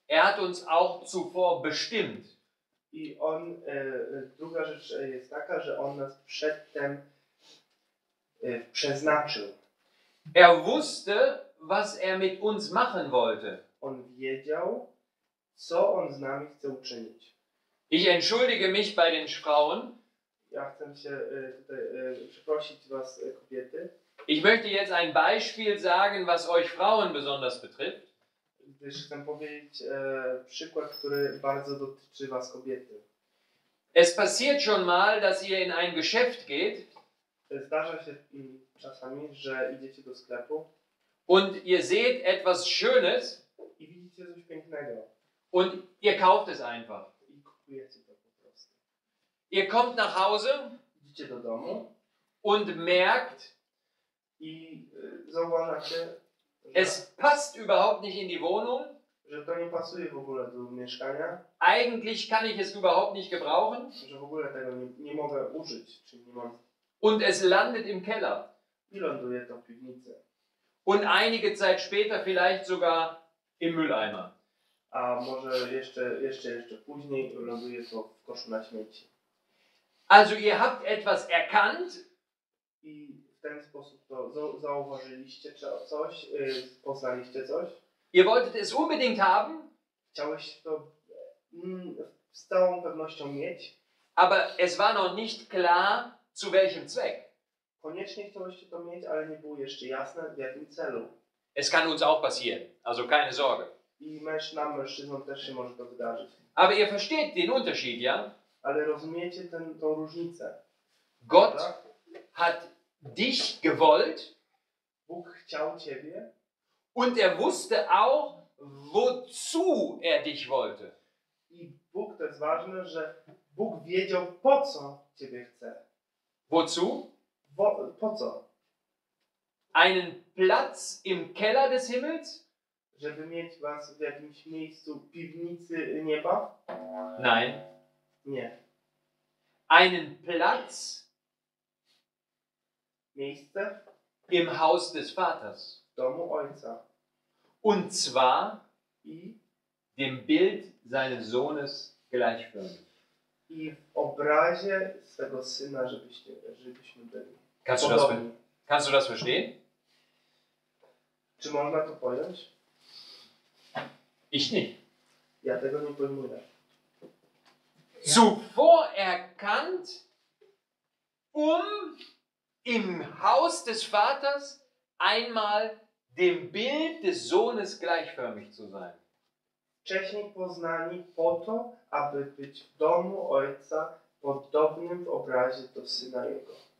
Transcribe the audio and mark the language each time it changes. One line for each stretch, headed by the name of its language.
German: er hat uns auch zuvor bestimmt.
Polish: I on, druga rzecz jest taka, że on nas przedtem przeznaczył.
German: Er wusste, was er mit uns machen wollte.
Polish: On wiedział, co on z nami chce uczynić.
German: Ich entschuldige mich bei den Frauen.
Polish: Ja chcę się tutaj przeprosić was, kobiety.
German: Ich möchte jetzt ein Beispiel sagen, was euch Frauen besonders betrifft.
Polish: Ich chcę powiedzieć przykład, który bardzo dotyczy was, kobiety.
German: Es passiert schon mal, dass ihr in ein Geschäft geht.
Polish: Zdarza się czasami, że idziecie do sklepu.
German: Und ihr seht etwas Schönes.
Polish: I widzicie coś pięknego.
German: Und ihr kauft es einfach.
Polish: I kupujecie to po prostu.
German: Ihr kommt nach Hause.
Polish: Idziecie do domu.
German: Und merkt,
Polish: i zauważacie,
German: es passt überhaupt nicht in die Wohnung.
Polish: Że to nie pasuje w ogóle do mieszkania.
German: Eigentlich kann ich es überhaupt nicht gebrauchen.
Polish: Że w ogóle tego nie mogę użyć, czyli nie mam.
German: Und es landet im Keller.
Polish: I ląduje to w piwnicy.
German: Und einige Zeit später vielleicht sogar im Mülleimer.
Polish: A może jeszcze później ląduje to w koszu na śmieci.
German: Also ihr habt etwas erkannt.
Polish: I w ten sposób to zauważyliście coś, poznaliście coś.
German: Ihr wolltet es unbedingt haben.
Polish: Chciałeś to z całą pewnością mieć.
German: Aber es war noch nicht klar, zu welchem Zweck.
Polish: Koniecznie chcieliście to mieć, ale nie było jeszcze jasne, w jakim celu.
German: Es kann uns auch passieren, also keine Sorge.
Polish: I mężczyznom, mężczyznom też się może to wydarzyć.
German: Aber ihr versteht den Unterschied, ja?
Polish: Ale rozumiecie tę różnicę.
German: Gott hat dich gewollt.
Polish: Bóg chciał ciebie.
German: Und wusste auch, wozu dich wollte.
Polish: I Bóg, to jest ważne, że Bóg wiedział, po co ciebie chce.
German: Wozu?
Polish: Po co?
German: Einen Platz im Keller des Himmels?
Polish: Żeby mieć was w jakimś miejscu piwnicy nieba?
German: Nein.
Polish: Nie.
German: Einen Platz?
Polish: Miejsce?
German: Im Haus des Vaters.
Polish: Domu Ojca.
German: Und zwar
Polish: i
German: dem Bild seines Sohnes gleichförmig.
Polish: I w obrazie swego syna, żebyśmy byli.
German: Kannst du das verstehen?
Polish: Czy można to pojąć?
German: Ich nicht.
Polish: Ja tego nie pojmuję.
German: Zuvor erkannt, im Haus des Vaters einmal dem Bild des Sohnes gleichförmig zu sein.
Polish: Wcześniej poznani po to, aby być w domu Ojca podobnym w obrazie do Syna Jego.